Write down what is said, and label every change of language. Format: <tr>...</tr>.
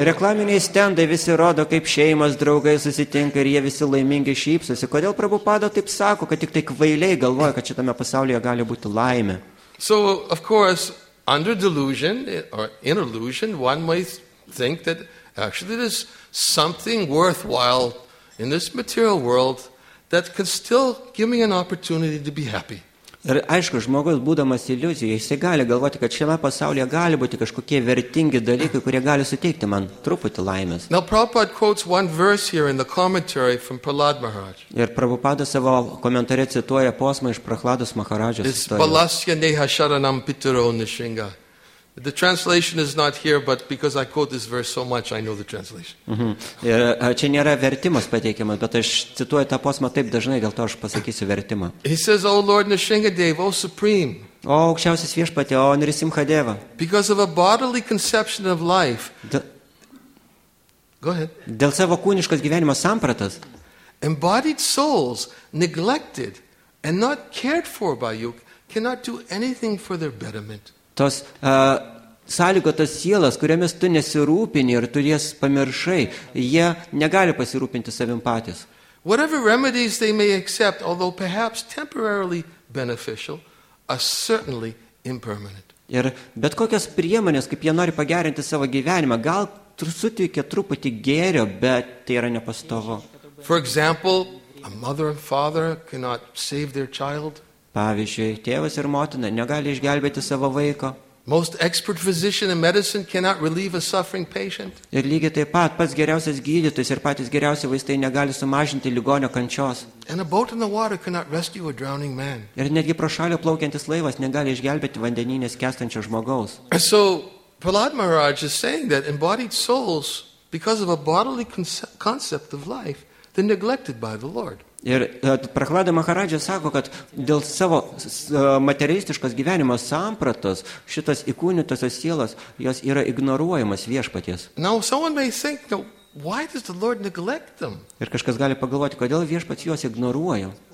<lt>Ir reklaminiai stendai visi rodo, kaip šeimos draugai susitinka ir jie visi laimingi šypsosi. Kodėl Prabhupada taip sako, kad tik kvailiai galvoja, kad šitame pasaulyje gali būti laimė?</lt> <en>So of course, under delusion or in illusion, one may think that actually there's something worthwhile in this material world that could still give me an opportunity to be happy.</en> <lt>Ir aišku, žmogus būdamas iliuzijoje, jis gali galvoti, kad šiame pasaulyje gali būti kažkokie vertingi dalykai, kurie gali suteikti man truputį laimės.</lt> <en>Now Prabhupada quotes one verse here in the commentary from Prahlad Maharaj.</en> <lt>Ir Prabhupada savo komentare cituoja posmą iš Prahladas Maharadžas.</lt> <sa>This balasya neha sharanam pitaro nishinga.</sa> <en>The translation is not here, but because I quote this verse so much, I know the translation.</en> <lt>Čia nėra vertimas pateikimas, bet aš cituoju tą posmą taip dažnai, dėl to aš pasakysiu vertimą.</lt> <en>He says, O Lord Nrisimhadeva, O Supreme,</en> <lt>O aukščiausias viešpatė, O Nrisimhadeva,</lt> <en>because of a bodily conception of life, go ahead,</en> <lt>dėl savo kūniškos gyvenimo sampratas,</lt> <en>embodied souls, neglected and not cared for by you, cannot do anything for their betterment.</en> <lt>Tos sąlygotos sielas, kuriamis tu nesirūpini ir tu jas pamiršai, jie negali pasirūpinti savim patys.</lt> <en>Whatever remedies they may accept, although perhaps temporarily beneficial, are certainly impermanent.</en> <lt>Ir bet kokias priemonės, kaip jie nori pagerinti savo gyvenimą, gal suteikia truputį gėrio, bet tai yra nepastovo.</lt> <en>For example, a mother and father cannot save their child.</en> <lt>Pavyzdžiui, tėvas ir motina negali išgelbėti savo vaiko.</lt> <en>Most expert physician in medicine cannot relieve a suffering patient.</en> <lt>Ir lygiai taip pat pats geriausias gydytojas ir patys geriausi vaistai negali sumažinti ligonio kančios.</lt> <en>And a boat in the water cannot rescue a drowning man.</en> <lt>Ir netgi pro šalio plaukiantis laivas negali išgelbėti vandenynės skęstančio žmogaus.</lt> <en>So Prahlad Maharaj is saying that embodied souls, because of a bodily concept of life, they're neglected by the Lord.</en> <lt>Ir Prahlada Maharadža sako, kad dėl savo materialistiškos gyvenimo sampratos šitas įkūnytosios sielos jos yra ignoruojamas viešpaties.</lt> <en>Now someone may think, why does the Lord neglect them?</en> <lt>Ir kažkas gali pagalvoti, kodėl viešpats juos ignoruoja.</lt>